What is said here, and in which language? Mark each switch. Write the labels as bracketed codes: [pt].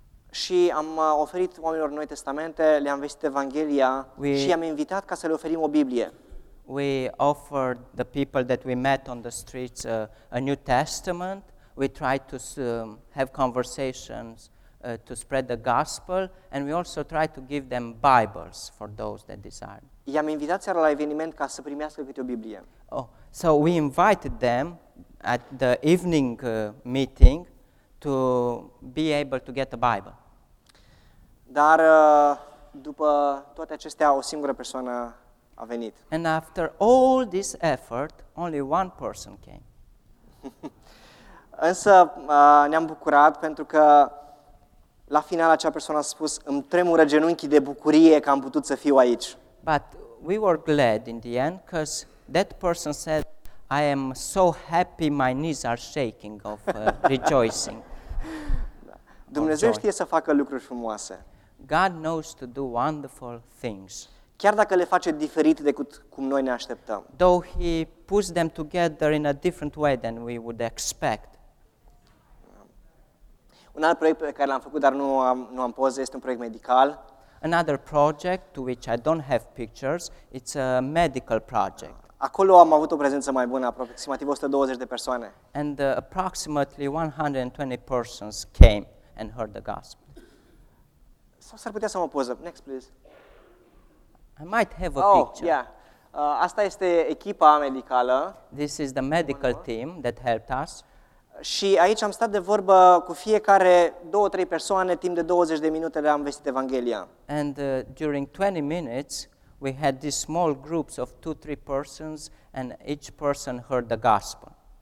[ro] Și am oferit oamenilor Noi Testamente, le-am vestit Evanghelia și am invitat ca să le oferim o Biblie. [en] We offered the people that we met on the streets a New Testament. We tried to have conversations to spread the gospel, and we also tried to give them Bibles for those that desired. [ro] I-am invitat seara la eveniment ca să primească câte o Biblie. [en] Oh, so we invited them at the evening meeting to be able to get a Bible. [ro] Dar după toate acestea, o singură persoană a venit. [en] And after all this effort, only one person came. [ro] Însă ne-am bucurat pentru că la final acea persoană a spus: îmi tremură genunchii de bucurie că am putut să fiu aici. [en] But we were glad in the end because that person said, I am so happy my knees are shaking of rejoicing. [ro] Dumnezeu știe să facă lucruri frumoase. [en] God knows to do wonderful things. [ro] Chiar dacă le face diferit decât cum noi ne așteptăm. [en] Though he puts them together in a different way than we would expect. [ro] Un alt proiect pe care l-am făcut, dar nu am poze, este un proiect medical. [en] Another project to which I don't have pictures, it's a medical project. [ro] Acolo am avut o prezență mai bună, aproximativ 120 de persoane. [en] And approximately 120 persons came and heard the gospel. [ro] Sau s-ar putea să am o poză? [en] Next, please. I might have a picture. Yeah. [ro] Asta este echipa medicală. [en] This is the medical team that helped us. [ro] Și aici am stat de vorbă cu fiecare 2-3 persoane timp de 20 de minute le-am vestit Evanghelia. [en] And during 20 minutes, we had these small groups of 2-3 persons and each person heard the gospel.